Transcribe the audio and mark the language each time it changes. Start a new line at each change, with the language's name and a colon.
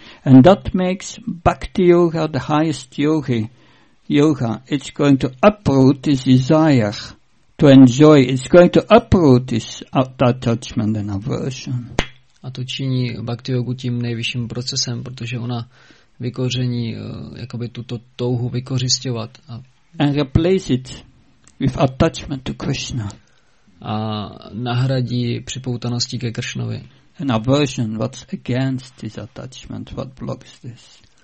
English: And that makes bhakti yoga the highest yoga. It's going to uproot this desire to enjoy. It's going to uproot this attachment and aversion.
Czech: A to činí bhakti yogu tím nejvyšším procesem, protože ona vykoření jakoby tuto touhu vykořisťovat a
English: and replace it with attachment to Krishna.
Czech: A nahradí připoutanosti ke Kršnovi.
English: An aversion, what's against this attachment, what blocks this?